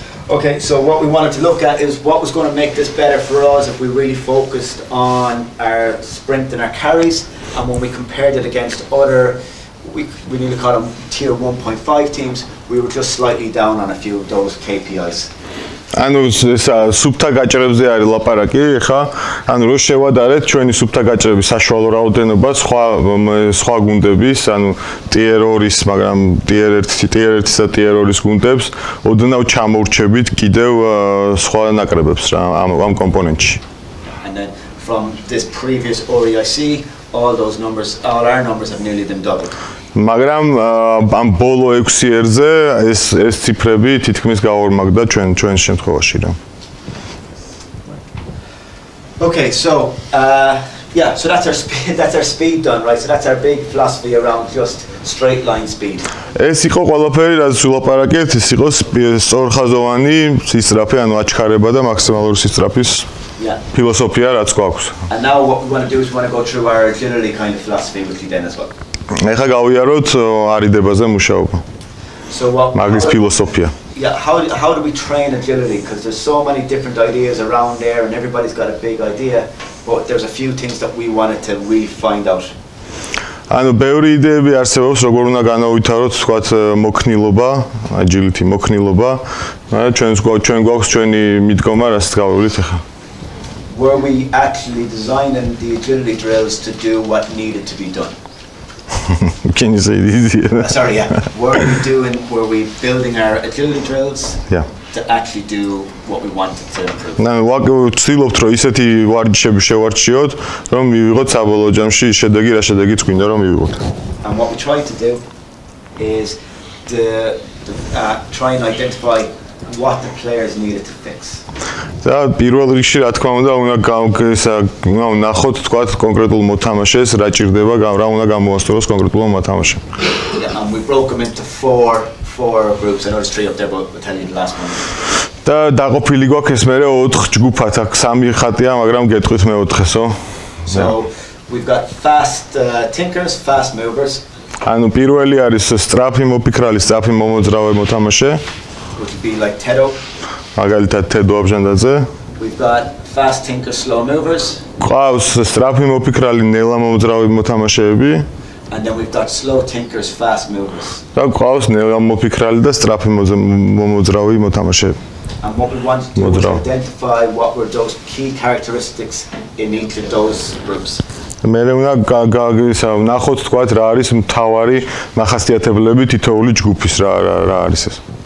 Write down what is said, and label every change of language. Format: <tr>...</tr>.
<en>Okay, so what we wanted to look at is what was going to make this better for us if we really focused on our sprint and our carries, and when we compared it against other, we nearly call them tier 1.5 teams, we were just slightly down on a few of those KPIs.</en> <ka>ანუ ეს სუფთა გაჭრებზე არის ლაპარაკი, ხა? ანუ რო შევადარეთ ჩვენი სუფთა გაჭრების საშუალო რაოდენობა სხვა გუნდების, ანუ tier 2-ის, მაგრამ tier 1-ის, tier 1-ის და tier 2-ის გუნდებს, ოდნავ ჩამორჩებით კიდევ სხვა ნაკრებებს რა ამ კომპონენტში.</ka> <en>And then from this previous OEIC, all those numbers, all our numbers have nearly them doubled.</en> <ka>მაგრამ ამ ბოლო 6 ერზე ეს ციფრები თითქმის გაორმაგდა ჩვენ შემთხვევაში რა.</ka> <en>Okay, so so that's our speed done, right? So that's our big philosophy around just straight line speed.</en> <ka>ეს იყო ყველაფერი, რაც ვილაპარაკეთ, ეს იყო სწორხაზოვანი სისწრაფე, ანუ აჩქარება და მაქსიმალური სისწრაფის ფილოსოფია რაც გვაქვს.</ka> <en>And now what we're going to do is we're going to go through our generally kind of philosophy with you then as well.</en> <ka>ეხა გავიაროთ არიდებაზე მუშაობა. მაგის ფილოსოფია.</ka> <en>Yeah, how do we train agility because there's so many different ideas around there and everybody's got a big idea, but there's a few things that we wanted to re-find out.</en> <ka>ანუ ბევრი იდეები არსებობს, როგორ უნდა განავითაროთ, თქვა მოქნილობა, agility მოქნილობა. მაგრამ ჩვენ გვაქვს ჩვენი მიდგომა, რაც გავავლით ახლა.</ka> <en>Were we actually designing the agility drills to do what needed to be done? Can you say it easier? Sorry, yeah. Were we building our agility drills to actually do what we wanted to improve? No, what we</en> <ka>ვცდილობთ, რომ ისეთი ვარჯიშები შევარჩიოთ, რომ მივიღოთ საბოლოო ჯამში შედეგი, რა შედეგიც გვინდა, რომ მივიღოთ.</ka> <en>And what we tried to do is to try and identify what the players needed to fix.</en> <ka>Да, პირველ რიგში რა თქმა უნდა უნდა ისა, უნდა ნახოთ თქვა კონკრეტულ მოთამაშეს რა ჭირდება, რა უნდა გამოასწოროს კონკრეტულ მოთამაშემ.</ka> <en>We broke them into four groups and others three up there but telling the last one.</en> <ka>Да, დაყოფილი გვაქვს ეს მეორე 4 ჯგუფად, აქ სამი ხატია, მაგრამ გეტყვით მეოთხესო.</ka> <en>So we've got fast thinkers, fast movers.</en> <ka>ანუ პირველი არის სტრაფი მოფიქრალი, სტრაფი მომოძრავე მოთამაშე.</ka> <en>Would be like Tedo.</en> <ka>მაგალითად Tedo აბჟანდაძე.</ka> <en>We've got fast thinkers, slow movers.</en> <ka>ყავს სტრაფი მოფიქრალი, ნელა მომოძრავე მოთამაშეები.</ka> <en>And then we've got slow thinkers, fast movers.</en> <ka>და ყავს ნელა მოფიქრალი და სტრაფი მომოძრავე მოთამაშეები.</ka> <en>And what we want to do is identify what were those key characteristics in each of those groups.</en> <ka>მე უნდა გაგავისა ნახოთ თქვა რა არის მთავარი მახასიათებლები თითოეული ჯგუფის რა არის ეს.</ka>